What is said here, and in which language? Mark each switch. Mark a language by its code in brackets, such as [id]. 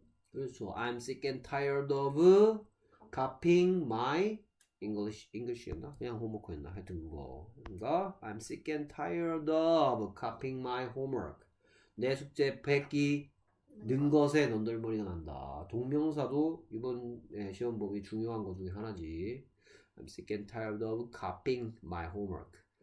[en] 그래서 I'm sick and tired of copying my English였나? [ko] 그냥 homework였나? 하여튼 그거. 그러니까 [en] I'm sick and tired of copying my homework. [ko] 내 숙제 뺏기 는 것에 넌덜머리가 난다. 동명사도 이번 시험 보기 중요한 것 중에 하나지. [en] I'm sick and tired of copying my homework.